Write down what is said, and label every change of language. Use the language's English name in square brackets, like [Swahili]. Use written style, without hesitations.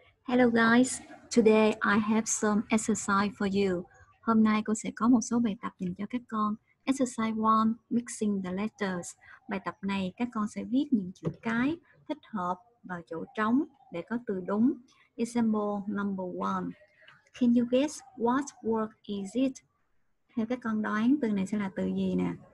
[English] Hello guys, today I have some exercise for you. [Vietnamese] Hôm nay cô sẽ có một số bài tập dành cho các con. [English] Exercise 1, mixing the letters. [Vietnamese] Bài tập này các con sẽ viết những chữ cái thích hợp vào chỗ trống để có từ đúng. [English] Example number 1. Can you guess what word is it? [Vietnamese] Theo các con đoán từ này sẽ là từ gì nè?